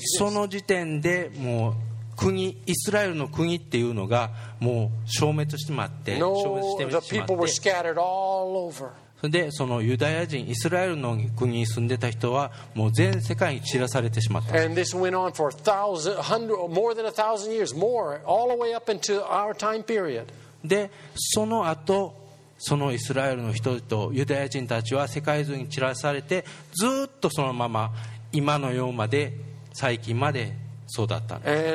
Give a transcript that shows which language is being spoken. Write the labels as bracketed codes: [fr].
[ja] その時点でもう国、イスラエルの国っていうのがもう消滅してしまって、 [en] No, the people were scattered all over. [ja] それでそのユダヤ人イスラエルの国に住んでた人はもう全世界に散らされてしまった。 [en] And this went on for more than a thousand years, more, all the way up into our time period. [ja] でその後そのイスラエルの人とユダヤ人たちは世界中に散らされてずっとそのまま今のようまで最近までそうだったんです